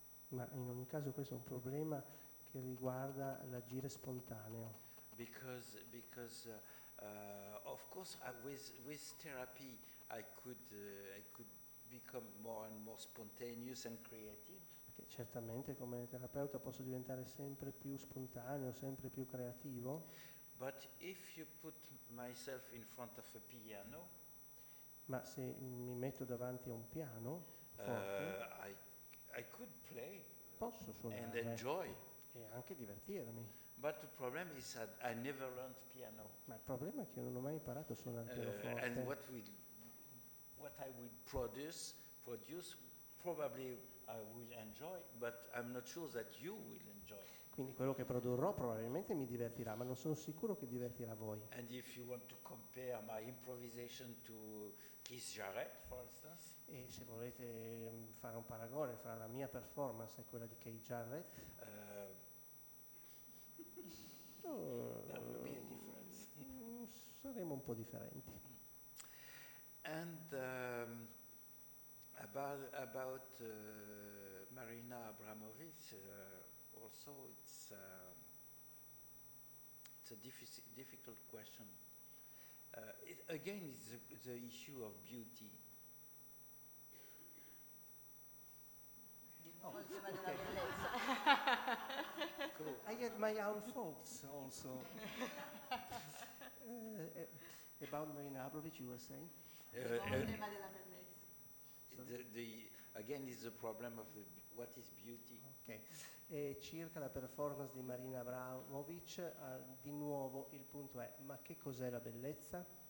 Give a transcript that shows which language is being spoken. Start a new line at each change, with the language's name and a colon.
Italian: Ma in ogni caso questo è un problema che riguarda l'agire spontaneo.
English: Because of course with therapy I could become more and more spontaneous and creative.
Italian: Perché certamente come terapeuta posso diventare sempre più spontaneo, sempre più creativo.
English: But if you put myself in front of a piano.
Italian: Ma se mi metto davanti a un piano forte,
English: I could play.
Italian: Posso suonare.
English: And enjoy.
Italian: E anche divertirmi.
English: But the problem is that I never learned piano.
Italian: Ma il problema è che io non ho mai imparato a suonare il pianoforte.
English: And what I would produce probably I will enjoy, but I'm not sure that you will enjoy.
Italian: Quindi quello che produrrò probabilmente mi divertirà, ma non sono sicuro che divertirà voi.
English: And if you want to compare my improvisation to Keith Jarrett, for instance.
Italian: E se volete fare un paragone fra la mia performance e quella di Keith Jarrett,
English: that would be a difference.
Italian: Saremo un po' differenti.
English: And about Marina Abramovic. Also, it's a difficult question. It's the issue of beauty. Okay. Cool. I get my own faults also. About Marina Abramovic, you were saying? It's the problem of the what is beauty. Okay.
Italian: E circa la performance di Marina Abramovic, di nuovo il punto è: ma che cos'è la bellezza?